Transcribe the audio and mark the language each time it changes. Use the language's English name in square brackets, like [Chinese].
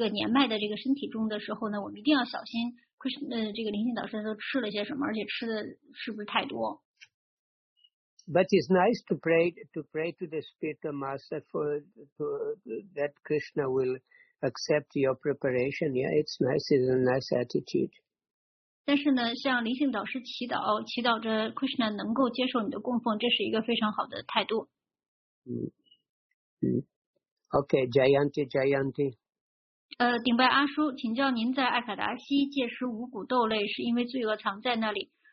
[Chinese] 所以呢，当灵性导师他不能吃太多的时候呢，我们可不能够这个觉得伤心，并不是因为他不喜，他没有接受，而是因为他吃不了太多，特别是当灵性导师他处于一个年迈的这个身体中的时候呢，我们一定要小心。这个灵性导师都吃了些什么，而且吃的是不是太多？ [English] But it's nice to pray to the spiritual master that Krishna will accept your preparation. Yeah, it's nice. It's a nice attitude. [Chinese] 但是呢，向灵性导师祈祷，祈祷着 Krishna 能够接受你的供奉，这是一个非常好的态度。 [English] Okay, Jayanti, Jayanti. [Chinese] 顶拜阿叔，请教您在爱卡达西戒食五谷豆类，是因为罪恶藏在那里。